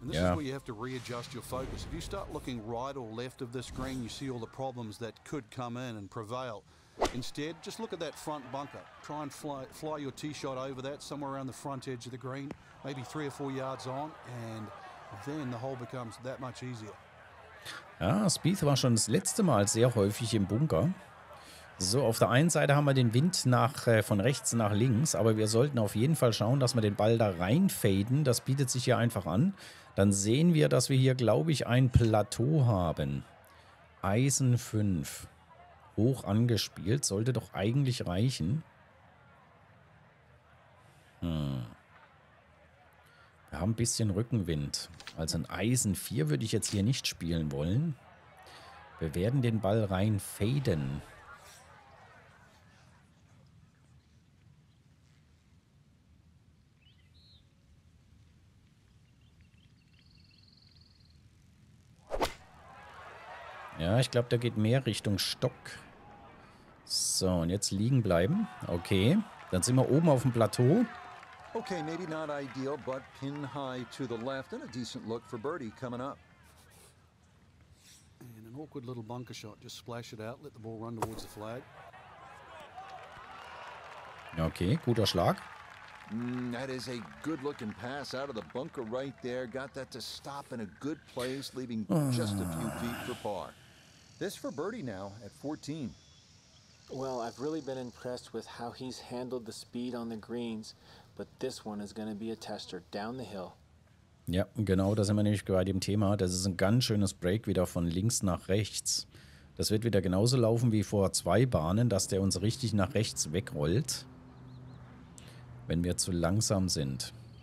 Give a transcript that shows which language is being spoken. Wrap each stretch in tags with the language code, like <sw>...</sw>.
<en>And this is where you have to readjust your focus. If you start looking right or left of this green, you see all the problems that could come in and prevail. Instead, just look at that front bunker. Try and fly your tee shot over that, somewhere around the front edge of the green, maybe 3 or 4 yards on, and then the hole becomes that much easier.</en> <de>Ja, Spieth war schon das letzte Mal sehr häufig im Bunker. So, auf der einen Seite haben wir den Wind von rechts nach links, aber wir sollten auf jeden Fall schauen, dass wir den Ball da reinfaden. Das bietet sich hier einfach an. Dann sehen wir, dass wir hier, glaube ich, ein Plateau haben. Eisen 5. Hoch angespielt. Sollte doch eigentlich reichen. Wir haben ein bisschen Rückenwind. Also ein Eisen 4 würde ich jetzt hier nicht spielen wollen. Wir werden den Ball reinfaden. Ja, ich glaube, der geht mehr Richtung Stock. So, und jetzt liegen bleiben. Okay, dann sind wir oben auf dem Plateau.</de> <en>Okay, maybe not ideal, but pin high to the left and a decent look for birdie coming up. And an awkward little bunker shot. Just splash it out, let the ball run towards the flag.</en> <de>Okay, guter Schlag.</de> <en>That is a good looking pass out of the bunker right there. Got that to stop in a good place, leaving just a few feet for par. This for birdie now at 14. Well, I've really been impressed with how he's handled the speed on the greens, but this one is going to be a tester down the hill.</en> <de>Ja, genau, da sind wir nämlich gerade im Thema. Das ist ein ganz schönes Break wieder von links nach rechts. Das wird wieder genauso laufen wie vor zwei Bahnen, dass der uns richtig nach rechts wegrollt, wenn wir zu langsam sind.</de>